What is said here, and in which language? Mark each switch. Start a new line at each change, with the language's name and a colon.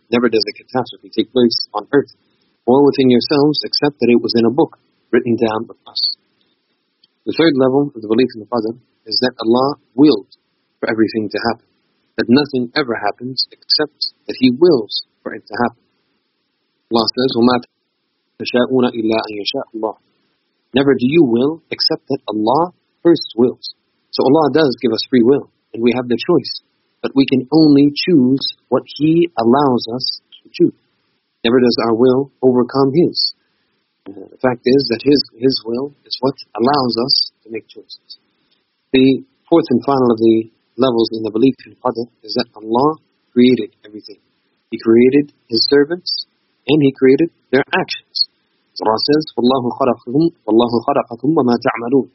English: Never does a catastrophe take place on earth or within yourselves except that it was in a book written down for us. The third level of the belief in the Qadr is that Allah willed for everything to happen, that nothing ever happens except that He wills for it to happen. Allah says,
Arabic: وَمَا تَشَاءُونَ إِلَّا أَنْ يَشَاءُ اللَّهُ.
English: Never do you will except that Allah first wills. So Allah does give us free will, and we have the choice, but we can only choose what He allows us to choose. Never does our will overcome His. The fact is that His will is what allows us to make choices. The fourth and final of the levels in the belief in Qadr is that Allah created everything. He created His servants, and He created their actions. Surah says,
Arabic: وَاللَّهُ خَلَقَكُمْ وَمَا تَعْمَلُونَ.